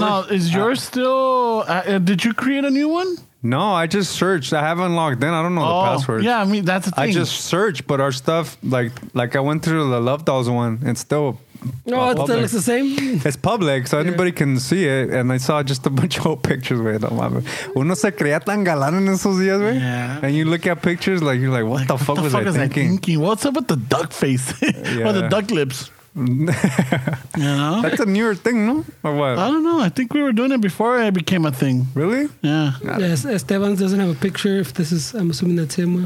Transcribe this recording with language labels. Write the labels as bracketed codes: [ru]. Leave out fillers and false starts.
[en] No, is yours still... did you create a new one? No, I just searched. I haven't logged in. I don't know the password. Yeah, I mean, that's the thing. I just searched, but our stuff, like I went through the Love Dolls one. It's still public. It still looks the same? It's public, so anybody can see it. And I saw just a bunch of old pictures, güey. [es] Uno se creía tan galán en esos días, güey. [en] Yeah. And you look at pictures, like, you're like, what the fuck was I thinking? What's up with the duck face? Or the duck lips? You know? That's a newer thing, no? Or what? I don't know. I think we were doing it before it became a thing. Really? Yeah. Yes, Esteban doesn't have a picture. If this is, I'm assuming that's him.